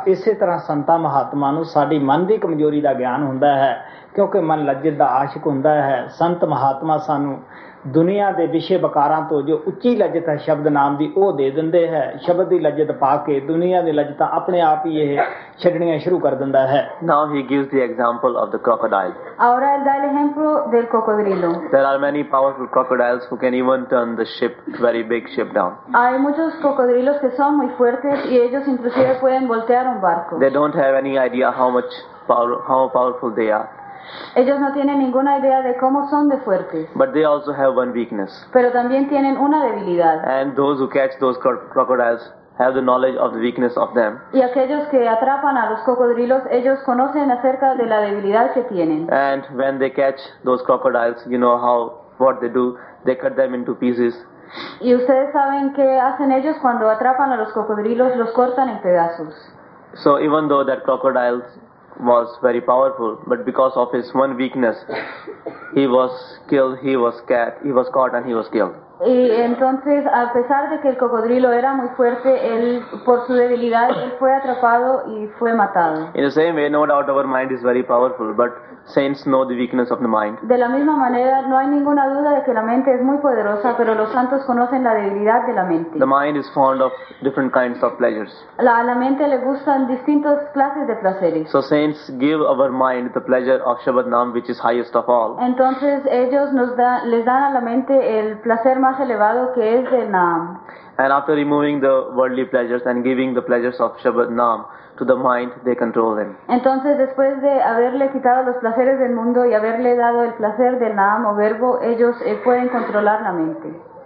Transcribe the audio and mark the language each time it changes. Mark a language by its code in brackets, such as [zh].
[pa] ਇਸੇ ਤਰ੍ਹਾਂ ਸੰਤਾਂ ਮਹਾਤਮਾ ਨੂੰ ਸਾਡੀ ਮਨ ਦੀ ਕਮਜ਼ੋਰੀ ਦਾ ਗਿਆਨ ਹੁੰਦਾ ਹੈ, ਕਿਉਂਕਿ ਮਨ ਲੱਜਤ ਦਾ ਆਸ਼ਕ ਹੁੰਦਾ ਹੈ। ਸੰਤ ਮਹਾਤਮਾ ਸਾਨੂੰ ਦੁਨੀਆਂ ਦੇ ਵਿਸ਼ੇ ਵਿਕਾਰਾਂ ਤੋਂ ਜੋ ਉੱਚੀ ਲੱਜਤ ਹੈ ਸ਼ਬਦ ਨਾਮ ਦੀ, ਉਹ ਦੇ ਦਿੰਦੇ ਹੈ। ਸ਼ਬਦ ਦੀ ਲੱਜਤ ਪਾ ਕੇ ਦੁਨੀਆਂ ਦੀ ਲੱਜਤਾਂ ਆਪਣੇ ਆਪ ਹੀ ਇਹ ਛੱਡਣੀਆਂ ਸ਼ੁਰੂ ਕਰ ਦਿੰਦਾ ਹੈ। [en] Now he gives the example of the crocodile. [es] Aur el dal ejemplo del cocodrilo. [en] There are many powerful crocodiles who can even turn the ship, very big ship, down. [es] Hay muchos cocodrilos que son muy fuertes y ellos inclusive pueden voltear un barco. [en] They don't have any idea how powerful they are. [es] Ellos no tienen ninguna idea de cómo son de fuertes. [en] But they also have one weakness. [es] Pero también tienen una debilidad. [en] And those who catch those crocodiles have the knowledge of the weakness of them. [es] Y aquellos que atrapan a los cocodrilos, ellos conocen acerca de la debilidad que tienen. [en] And when they catch those crocodiles, you know what they do? They cut them into pieces. [es] Y ustedes saben qué hacen ellos cuando atrapan a los cocodrilos, los cortan en pedazos. [en] So even though that crocodile was very powerful, but because of his one weakness, he was killed, he was caught and he was killed. [es] Y entonces, a pesar de que el cocodrilo era muy fuerte, él, por su debilidad, él fue atrapado y fue matado. [en] In the same way, no doubt our mind is very powerful, but saints know the weakness of the mind. [es] De la misma manera, no hay ninguna duda de que la mente es muy poderosa, pero los santos conocen la debilidad de la mente. [en] The mind is fond of different kinds of pleasures. [es] A la mente le gustan distintas clases de placeres. [en] So saints give our mind the pleasure of Shabad Nam, which is highest of all. [es] Entonces ellos les dan a la mente el placer más elevado, que es el Nam. [en] And after removing the worldly pleasures and giving the pleasures of Shabad Nam to the mind, they control them. [es] Entonces, después de haberle quitado los placeres del mundo y haberle dado el placer del Naam o verbo, ellos pueden controlar la mente.